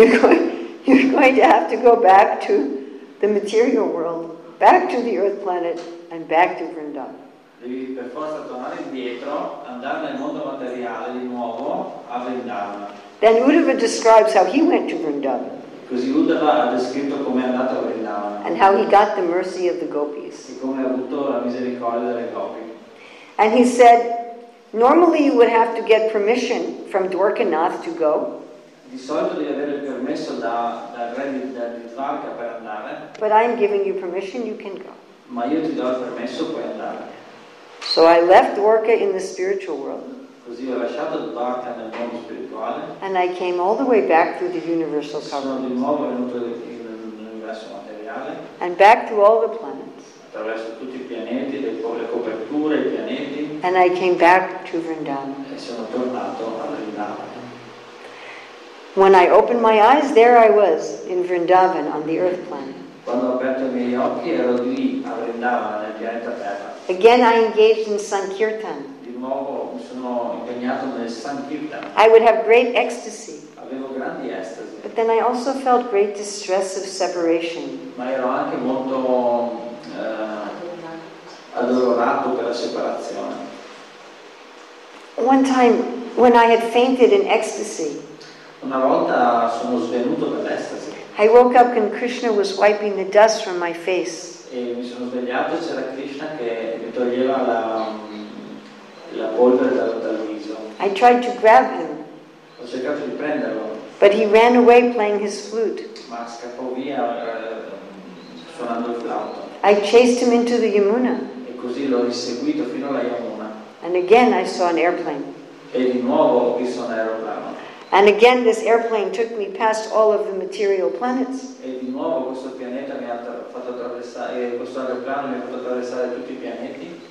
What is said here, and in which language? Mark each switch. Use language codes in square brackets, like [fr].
[en] you're going to have to go back to the material world, back to the earth planet, and back to Vrindavan. [it] Devi per forza tornare indietro, andare nel mondo materiale di nuovo a Vrindavan. [en] Then Uddhava describes how he went to Vrindavan. [it] Così Uddhava ha descritto come è andato a Vrindavan. [en] And how he got the mercy of the gopis. [it] E come ha avuto la misericordia delle gopi. [en] And he said, normally you would have to get permission from Dwarkanath to go. [it] Di solito devi avere il permesso dal re di Dwarka per andare. [en] But I'm giving you permission, you can go. [it] Ma io ti do il permesso, puoi andare. [en] So I left Dwarka in the spiritual world. [it] Così ho lasciato Dwarka nel mondo spirituale. [en] And I came all the way back through the universal covenant. [it] Sono di nuovo venuto nell'universo materiale. [en] And back through all the planets. [it] Attraverso tutti i pianeti, le coperture, i pianeti. [en] And I came back to Vrindavan. [it] E sono tornato a Vrindavan. [en] When I opened my eyes, there I was in Vrindavan on the earth planet. [it] Quando ho aperto i miei occhi ero lì a Vrindavan nel pianeta Terra. [en] Again, I engaged in Sankirtan. [it] Di nuovo mi sono impegnato nel Sankirtan. [en] I would have great ecstasy. [it] Avevo grandi estasi. [en] But then I also felt great distress of separation. [it] Ma ero anche molto addolorato per la separazione. [en] One time, when I had fainted in ecstasy, [it] una volta sono svenuto dall'estasi. [en] I woke up and Krishna was wiping the dust from my face. [it] E mi sono svegliato e c'era Krishna che mi toglieva la polvere dal viso. [en] I tried to grab him. [it] Ho cercato di prenderlo. [en] But he ran away playing his flute. [it] Ma scappò via suonando il flauto. [en] I chased him into the Yamuna. [it] E così l'ho inseguito fino alla Yamuna. [en] And again I saw an airplane. [it] E di nuovo ho visto un aeroplano. [en] And again, this airplane took me past all of the material planets. [it] E di nuovo questo pianeta mi ha fatto attraversare, questo aeroplano mi ha fatto attraversare tutti i pianeti.